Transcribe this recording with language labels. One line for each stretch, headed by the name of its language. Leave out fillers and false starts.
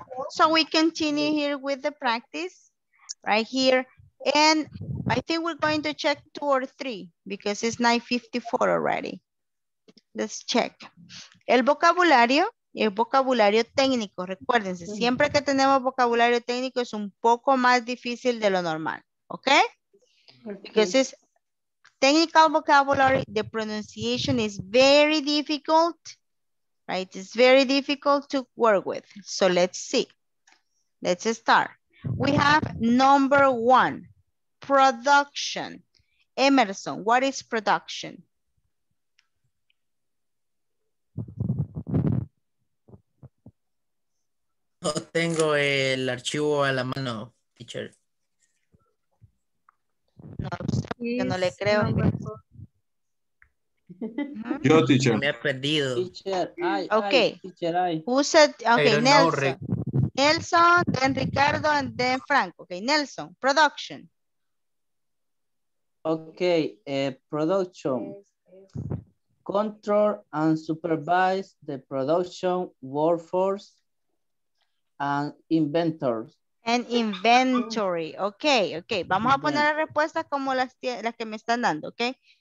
English: So we continue here with the practice right here. And I think we're going to check 2 or 3 because it's 9:54 already. Let's check.
Spanish: El vocabulario técnico, recuérdense, siempre que tenemos vocabulario técnico es un poco más difícil de lo normal,
English: okay? Because it's technical vocabulary, the pronunciation is very difficult. Right, it's very difficult to work with. So let's see. Let's start. We have number one, production. Emerson, what is production?
Spanish: No tengo el archivo a la mano, teacher. No, yo no le creo. Yo, teacher. Me he perdido. Teacher, ay, okay. Ay, teacher, ay.
English: Who said, okay,
Spanish: pero Nelson.
English: No, Nelson, then Ricardo, and then Frank. Okay, Nelson, production. Okay, production. Control and supervise the production workforce and inventors. And inventory. Okay, okay.
Spanish: Vamos a poner las respuestas como las que me están dando, okay?